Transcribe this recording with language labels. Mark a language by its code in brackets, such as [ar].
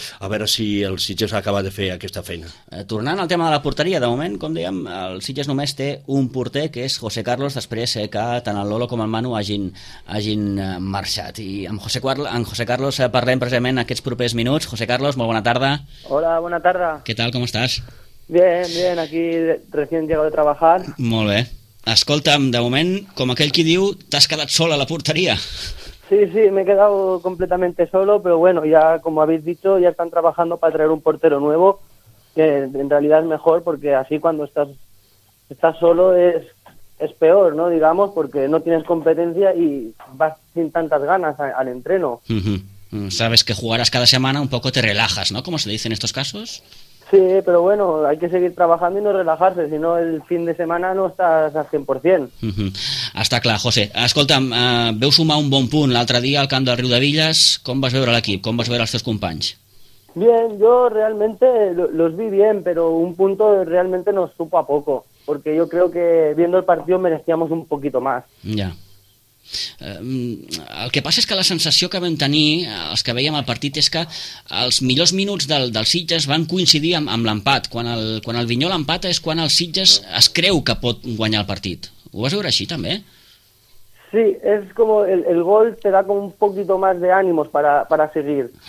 [ca] A veure si el Sitges acaba de fer aquesta feina. Tornant al tema de la porteria, de moment, com dèiem, el Sitges només té un porter, que és José Carlos, després que tant el Lolo com el Manu hagin marxat. I amb José Carlos parlem precisament aquests propers minuts. José Carlos, molt bona tarda. Hola, bona tarda. Què tal, com estàs? [es] Bien, aquí recién llego de trabajar. [ca] Molt bé. Escolta'm, de moment, com aquell qui diu, t'has quedat sol a la porteria. [es] Sí, me he quedado completamente solo, pero bueno, ya como habéis dicho, ya están trabajando para traer un portero nuevo, que en realidad es mejor, porque así cuando estás solo es peor, ¿no? Digamos, porque no tienes competencia y vas sin tantas ganas al entreno. Sabes que jugarás cada semana, un poco te relajas, ¿no? Como se dice en estos casos. Sí, pero bueno, hay que seguir trabajando y no relajarse, si no el fin de semana no estás al 100%. [ca] Està clar, José. Escolta'm, veu sumar un bon punt l'altre dia al camp del Riu de Villas. Com vas veure l'equip? Com vas veure els teus companys? [es] Bien, yo realmente los vi bien, pero un punto realmente nos supo a poco, porque yo creo que viendo el partido merecíamos un poquito más. [ca] Ja. El que passa és que la sensació que vam tenir els que veiem el partit és que els millors minuts del Sitges van coincidir amb l'empat. Quan el Vinyol empata és quan el Sitges es creu que pot guanyar el partit. Ho vas veure així també? [es] Sí, és com el gol te da com un poquito más de ánimos para seguir.